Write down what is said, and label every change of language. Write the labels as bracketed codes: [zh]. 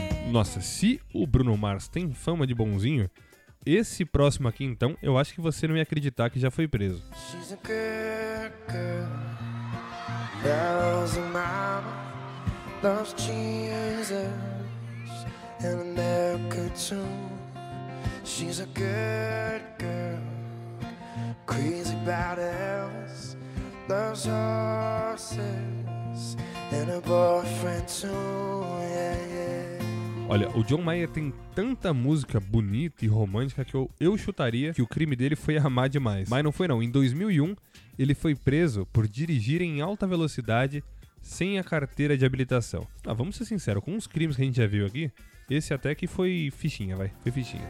[pt] Nossa, se o Bruno Mars tem fama de bonzinho, esse próximo aqui então, eu acho que você não ia acreditar que já foi preso. [en] She's a good girl, loves her mama, loves Jesus, and America too. She's a good girl, crazy about Elvis, loves horses, and her boyfriend too, yeah, yeah. [pt] Olha, o John Mayer tem tanta música bonita e romântica que eu chutaria que o crime dele foi amar demais. Mas não foi não. Em 2001, ele foi preso por dirigir em alta velocidade sem a carteira de habilitação. Ah, vamos ser sinceros, com os crimes que a gente já viu aqui, esse até que foi fichinha, vai. Foi fichinha.